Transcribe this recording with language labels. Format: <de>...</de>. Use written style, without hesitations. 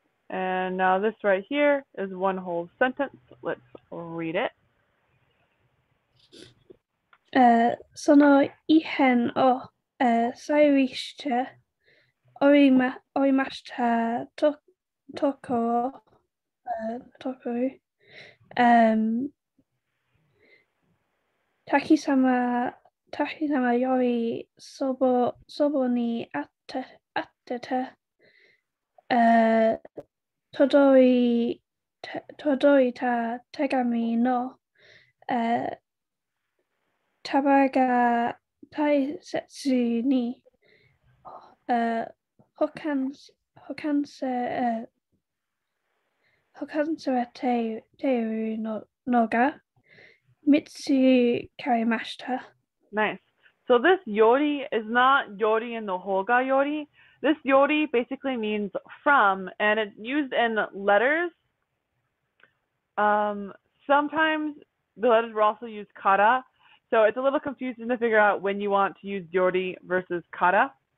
<en>And now this right here is one whole sentence. Let's read it.</en> <ja>その異変を再びしておりま、おりましたと、ところ、ところ、滝様より祖母に会ってた、届いた手紙の、束が大切に保管されているのが見つかりました。</ja> <en>Nice. So this yori is not yori in the hoga yori. This yori basically means from, and it's used in letters. Sometimes the letters were also used kara. So it's a little confusing to figure out when you want to use yori versus kara.</en>